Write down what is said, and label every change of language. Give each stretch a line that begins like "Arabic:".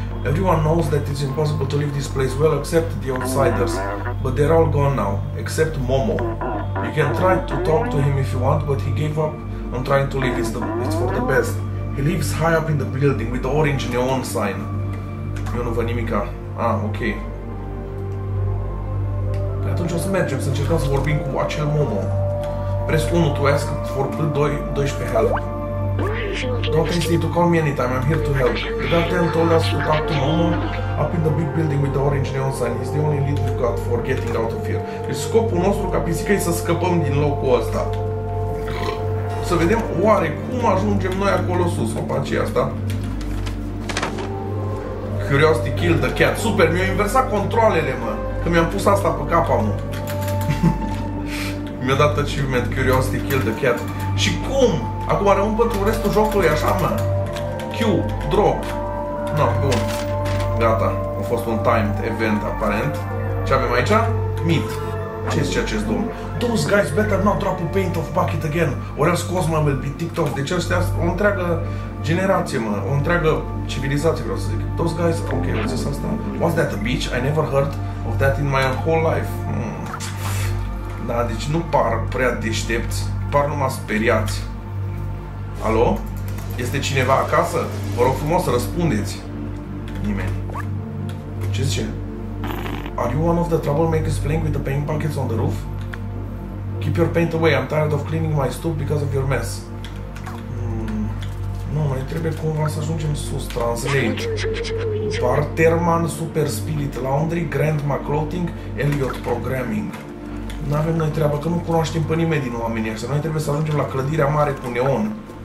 English: Everyone knows that it's impossible to leave this place well except the outsiders. But they're all gone now. Except Momo. You can try to talk to him if you want, but he gave up on trying to leave. It's for the best. He lives high up in the building with the orange neon sign.
Romanian: Eu nu văd nimica. Ah, ok. Atunci o să mergem, să încercăm să vorbim cu acel Momo.
English: Press 1 to ask for B2, 12 help. Don't hesitate to call me anytime, I'm here to help. The guardian told us to talk to Momo up in the big building with the orange neon sign. He's the only lead we've got for getting out of here.
Romanian: Deci scopul nostru ca pisică e să scăpăm din locul ăsta. Să vedem oare cum ajungem noi acolo sus, opacia asta.
English: Curiosity killed the cat.
Romanian: Super, mi-au inversat controlele, mă. Că mi-am pus asta pe cap, amu. Mi-a dat achievement Curiosity Kill the Cat. Și cum? Acum rămân pentru restul jocului așa, mă. Q, drop. No, bun. Gata. A fost un timed event, aparent. Ce avem aici? Meat. Ce zice acest domn?
English: Those guys better not drop a paint of bucket again. Or else Cosmo will be ticked off.
Romanian: Deci ăștia o întreagă generație, mă. O întreagă civilizație, vreau să zic.
English: Those guys... Ok,
Romanian: au zis asta.
English: What's that, a bitch? I never heard of that in my whole life.
Romanian: Da, deci nu par prea deștepți. Par numai speriați. Alo? Este cineva acasă? Vă rog frumos să răspundeți. Nimeni. Ce zice?
English: Are you one of the troublemakers playing with the paint buckets on the roof? Keep your paint away, I'm tired of cleaning my stoop because of your mess.
Romanian: Nu, mai trebuie cumva să ajungem sus, translate. Barterman, Super Spirit Laundry, Grandma Clothing, Elliot Programming. N-avem noi treabă, că nu cunoaștem pe nimeni din oamenii ăștia. Noi trebuie să ajungem la clădirea mare cu neon.